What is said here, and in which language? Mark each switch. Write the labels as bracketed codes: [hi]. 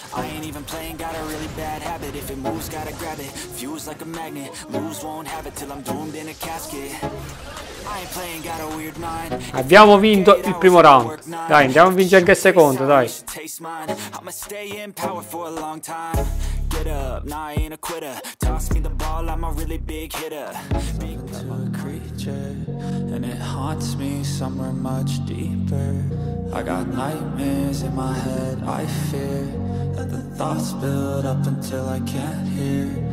[en] I ain't even playing, got a really bad habit. If it moves, gotta grab it. Fuse like a magnet. Lose, won't have it till I'm doomed in a casket. I ain't playing, got a weird mind. [it] Abbiamo vinto il primo round. Dai, andiamo a vincere anche il secondo, dai. [en] I'ma stay in power for a long time. Get up, nah, I ain't a quitter. Toss me the ball, I'm a really big hitter. Big to a creature. And it haunts me somewhere much deeper. I got nightmares in my head, I fear that the thoughts build up until I can't hear.